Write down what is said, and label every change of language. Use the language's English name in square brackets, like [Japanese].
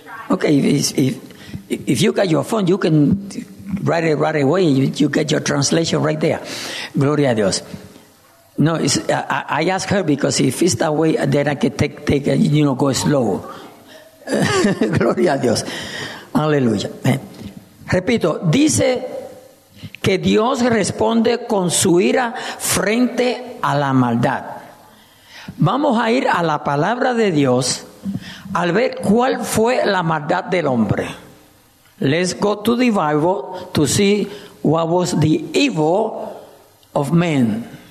[English] Okay, if you got your phone, you can write it right away. You get your translation right there. [Spanish] Gloria a Dios. [English] No, it's, I ask her because if it's that way, then I can take you know, go slow. [Spanish] Gloria a Dios. Aleluya. Repito, dice que Dios responde con su ira frente a la maldad. Vamos a ir a la palabra de Dios al ver cuál fue la maldad del hombre. [English] Let's go to the Bible to see what was the evil of man.